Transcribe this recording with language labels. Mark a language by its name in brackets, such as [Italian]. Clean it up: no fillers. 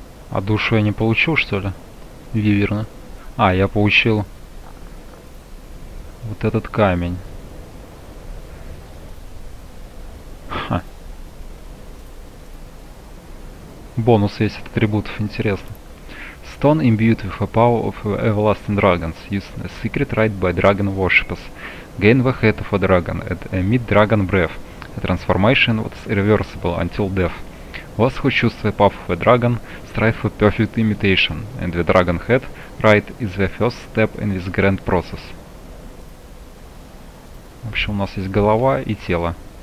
[Russian] А душу я не получил, что ли? Виверна. А, я получил вот этот камень. Ха. бонус есть от атрибутов, интересно. [English] Stone imbued with the power of everlasting dragons. Use a secret rite by dragon worshippers. Gain the head of a dragon and emit dragon breath. A transformation was irreversible until death. Last who chooses the path of a dragon, strive for perfect imitation, and the dragon head rite is the first step in this grand process. [Russian] В общем, у нас есть голова и тело.